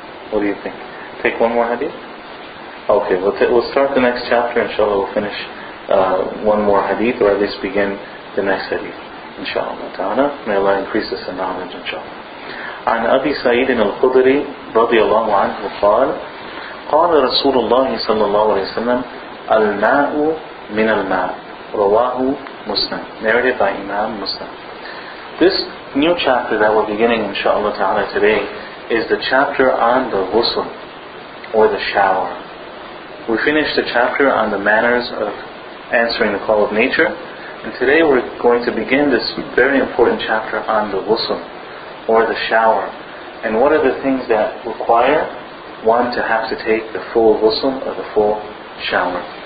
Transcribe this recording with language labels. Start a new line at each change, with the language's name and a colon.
English: What do you think? Take one more hadith? Okay, we'll start the next chapter, inshallah. We'll finish one more hadith, or at least begin the next hadith, inshallah. Ta'ala. May Allah increase us in knowledge, inshallah.
Arabic: عن أبي سعيد الخدري رضي الله عنه قال قال رسول الله صلى الله عليه وسلم الماء من الماء رواه مسلم.
English: Narrated by Imam Muslim. This new chapter that we're beginning, inshallah ta'ala, today is the chapter on the ghusl, or the shower. We finished the chapter on the manners of answering the call of nature, and today we're going to begin this very important chapter on the ghusl, or the shower, and what are the things that require one to have to take the full ghusl or the full shower.